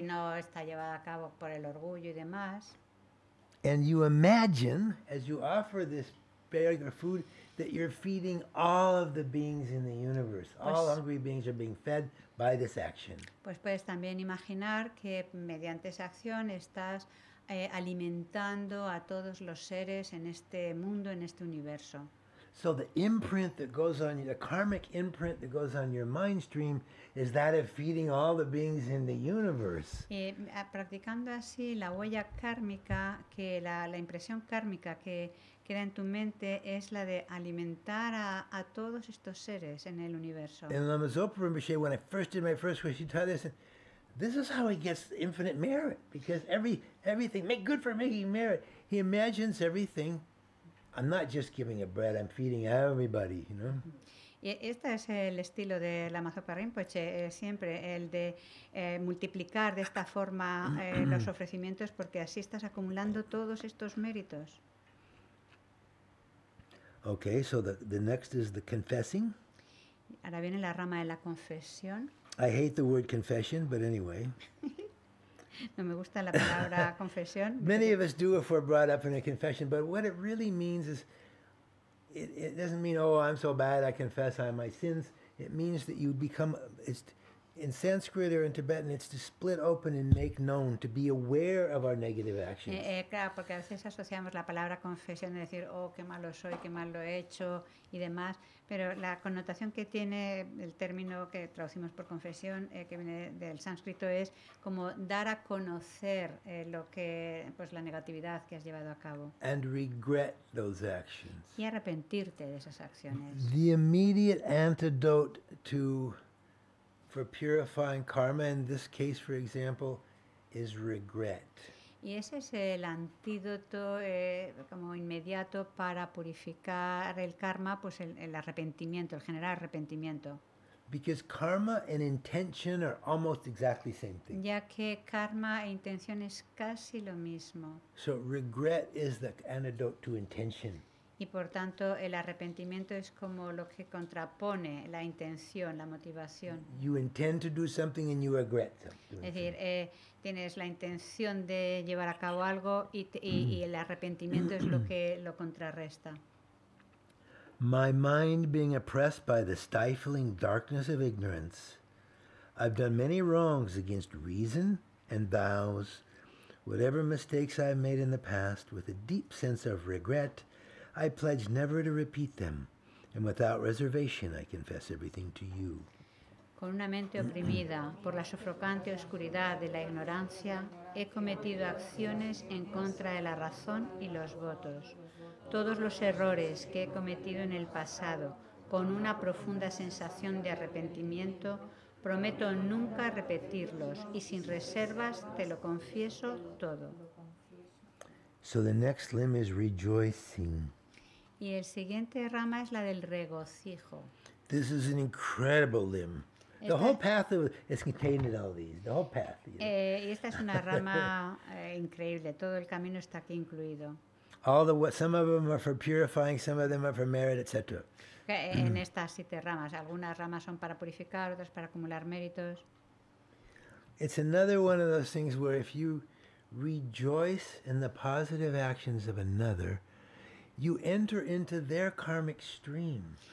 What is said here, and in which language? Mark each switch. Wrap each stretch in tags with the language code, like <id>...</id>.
<es>Si no está llevada a cabo por el orgullo y demás.</es> <en>And you imagine, as you offer this beggar food, that you're feeding all of the beings in the universe. All hungry beings are being fed by this action.</en> <es>Pues puedes también imaginar que mediante esa acción estás alimentando a todos los seres en este mundo, en este universo.</es> <en>So the imprint that goes on the karmic imprint that goes on your mind stream is that of feeding all the beings in the universe.</en> <es>Y practicando así la huella kármica, que la impresión kármica que queda en tu mente es la de alimentar a todos estos seres en el universo.</es> <en>And Lama Zopa Rinpoche, when I first did my first wish, he taught this. This is how he gets infinite merit, because everything make good for making merit. He imagines everything. I'm not just giving a bread, I'm feeding everybody, you know.</en> <es>Y este es el estilo de Lama Zopa Rinpoche, siempre el de multiplicar de esta forma los ofrecimientos, porque así estás acumulando todos estos méritos.</es> <en>Okay, so the next is the confessing.</en> <es>Ahora viene la rama de la confesión.</es> <en>I hate the word confession, but anyway.</en> <es>No me gusta la palabra confesión.</es> <en>Many of us do if we're brought up in a confession, but what it really means is, it doesn't mean, oh, I'm so bad, I confess I have my sins. It means that you become, in Sanskrit or in Tibetan, it's to split open and make known, to be aware of our negative actions.</en> <es>Claro, porque a veces asociamos la palabra confesión de decir, oh, qué malo soy, qué mal lo he hecho, y demás. Pero la connotación que tiene el término que traducimos por confesión, que viene del sánscrito, es como dar a conocer la negatividad que has llevado a cabo.</es> <en>And regret those actions.</en> <es>Y arrepentirte de esas acciones.</es> <en>The immediate antidote to... for purifying karma, in this case, for example, is regret.</en> <es>Y ese es el antídoto como inmediato para purificar el karma, pues el arrepentimiento, el generar arrepentimiento.</es> <en>Because karma and intention are almost exactly the same thing.</en> <es>Ya que karma e intención es casi lo mismo.</es> <en>So regret is the antidote to intention.</en> <es>Y por tanto, el arrepentimiento es como lo que contrapone la intención, la motivación.</es> <en>You intend to do something and you regret something.</en> <es>Es decir, tienes la intención de llevar a cabo algo y el arrepentimiento es lo que lo contrarresta.</es> <en>My mind being oppressed by the stifling darkness of ignorance, I've done many wrongs against reason and vows. Whatever mistakes I've made in the past, with a deep sense of regret, I pledge never to repeat them, and without reservation I confess everything to you.</en> <es>Con una mente oprimida por la sofocante oscuridad de la ignorancia, he cometido acciones en contra de la razón y los votos. Todos los errores que he cometido en el pasado, con una profunda sensación de arrepentimiento, prometo nunca repetirlos, y sin reservas te lo confieso todo.</es> <en>So the next limb is rejoicing.</en> <es>Y el siguiente rama es la del regocijo.</es> <en>This is an incredible limb. The whole path is contained in all these. The whole path. You know.</en> <es>Y esta es una rama increíble. Todo el camino está aquí incluido.</es> <en>Some of them are for purifying, some of them are for merit, etc.</en> <es>En estas siete ramas. Algunas ramas son para purificar, otras para acumular méritos.</es> <en>It's another one of those things where if you rejoice in the positive actions of another, you enter into their karmic stream.</en>